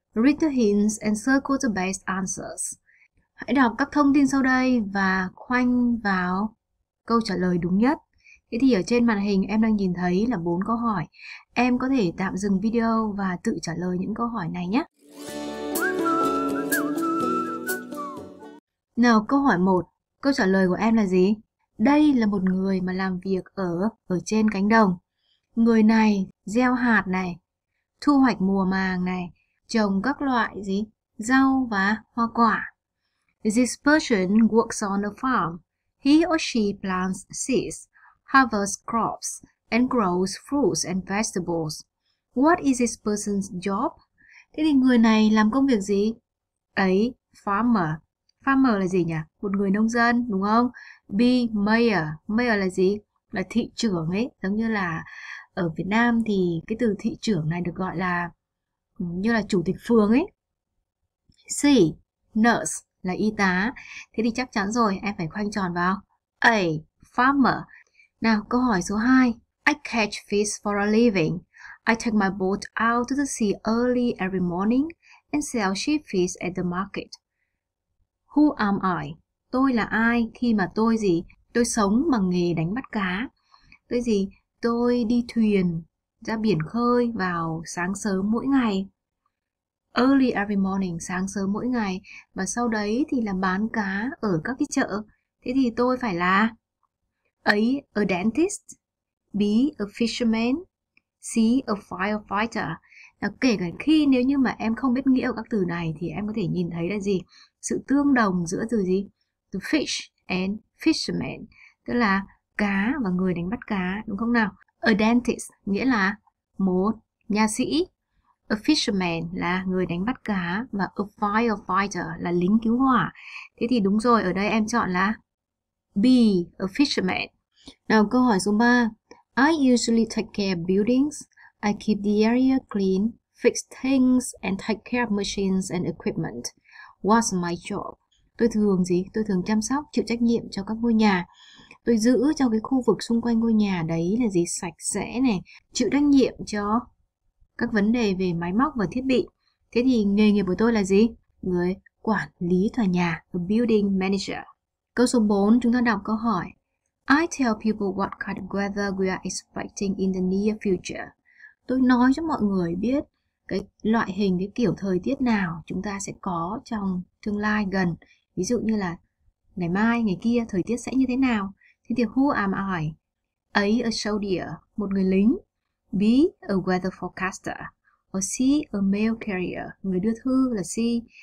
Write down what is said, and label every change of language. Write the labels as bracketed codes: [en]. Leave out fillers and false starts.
[en] Read the hints and circle the best answers. [vi] Hãy đọc các thông tin sau đây và khoanh vào câu trả lời đúng nhất. Thế thì ở trên màn hình em đang nhìn thấy là 4 câu hỏi. Em có thể tạm dừng video và tự trả lời những câu hỏi này nhé. Nào, câu hỏi 1. Câu trả lời của em là gì? Đây là một người mà làm việc ở trên cánh đồng. Người này gieo hạt này, thu hoạch mùa màng này, trồng các loại gì? Rau và hoa quả. [en] This person works on a farm. He or she plants seeds, harvests crops, and grows fruits and vegetables. What is this person's job? [vi] Thế thì người này làm công việc gì? Ấy, farmer. Farmer là gì nhỉ? Một người nông dân, đúng không? B, mayor. Mayor là gì? Là thị trưởng ấy. Giống như là ở Việt Nam thì cái từ thị trưởng này được gọi là như là chủ tịch phường ấy. C, nurse. Là y tá. Thế thì chắc chắn rồi, em phải khoanh tròn vào. [en] A, farmer. [vi] Nào, câu hỏi số 2. [en] I catch fish for a living. I take my boat out to the sea early every morning and sell sheep fish at the market. Who am I? [vi] Tôi là ai khi mà tôi gì? Tôi sống bằng nghề đánh bắt cá. Tôi gì? Tôi đi thuyền ra biển khơi vào sáng sớm mỗi ngày. [en] Early every morning, [vi] sáng sớm mỗi ngày. Và sau đấy thì là bán cá ở các cái chợ. Thế thì tôi phải là [en] A. A dentist. B. A fisherman. C. A firefighter. [vi] Nào, kể cả khi nếu như mà em không biết nghĩa của các từ này thì em có thể nhìn thấy là gì? Sự tương đồng giữa từ gì? [en] The fish and fisherman. [vi] Tức là cá và người đánh bắt cá, đúng không nào? [en] A dentist [vi] nghĩa là một nha sĩ. A fisherman là người đánh bắt cá và [en] a firefighter [vi] là lính cứu hỏa. Thế thì đúng rồi, ở đây em chọn là B, a fisherman. Nào, câu hỏi số 3. [en] I usually take care of buildings. I keep the area clean, fix things and take care of machines and equipment. What's my job? [vi] Tôi thường gì? Tôi thường chăm sóc, chịu trách nhiệm cho các ngôi nhà. Tôi giữ cho cái khu vực xung quanh ngôi nhà đấy là gì? Sạch sẽ này, chịu trách nhiệm cho các vấn đề về máy móc và thiết bị. Thế thì nghề nghiệp của tôi là gì? Người quản lý tòa nhà, [en] a building manager. [vi] Câu số 4, chúng ta đọc câu hỏi. [en] I tell people what kind of weather we are expecting in the near future. [vi] Tôi nói cho mọi người biết cái loại hình, cái kiểu thời tiết nào chúng ta sẽ có trong tương lai gần. Ví dụ như là ngày mai, ngày kia, thời tiết sẽ như thế nào. Thế thì [en] who am I? A, a soldier, [vi] một người lính. [en] B, a weather forecaster. Or C, a mail carrier, [vi] người đưa thư là C.